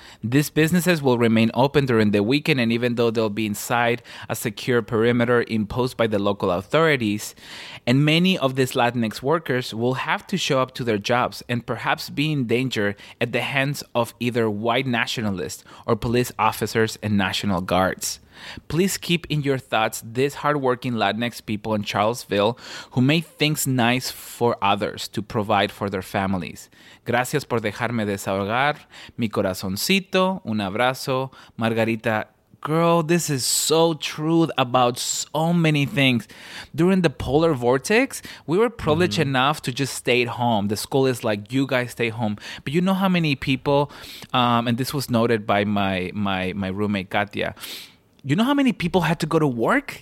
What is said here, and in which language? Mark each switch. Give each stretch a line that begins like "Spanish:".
English: These businesses will remain open during the weekend, and even though they'll be inside a secure perimeter imposed by the local authorities, and many of these Latinx workers will have to show up to their jobs and perhaps be in danger at the hands of either white nationalists or police officers and National Guards. Please keep in your thoughts these hardworking Latinx people in Charlottesville who make things nice for others to provide for their families.
Spanish: Gracias por dejarme desahogar mi corazoncito. Un abrazo, Margarita.
English: Girl, this is so true about so many things. During the polar vortex, we were privileged enough to just stay at home. The school is like, you guys stay home. But you know how many people, and this was noted by my roommate, Katia, you know how many people had to go to work?